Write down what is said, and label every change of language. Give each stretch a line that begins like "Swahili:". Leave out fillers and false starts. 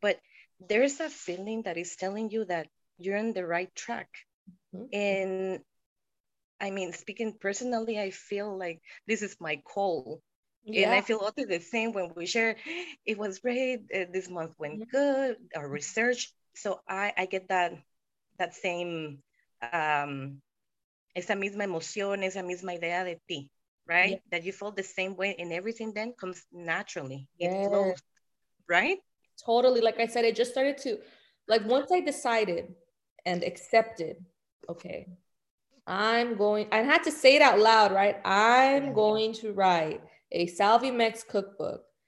English: But there's a feeling that is telling you that you're on the right track. Mm-hmm. And I mean, speaking personally, I feel like this is my call. Yeah. And I feel also the same when we share, it was great, this month went good, our research. So I get that same
Spanish: esa misma emoción, esa misma idea de ti, right?
English: Yeah. That you felt the same way, and everything then comes naturally. Yeah. It flows, right? Totally. Like I said, it just started to, like, once I decided and accepted, okay, I'm going, I had to say it out loud, right? I'm going to write a Salvi Mex cookbook.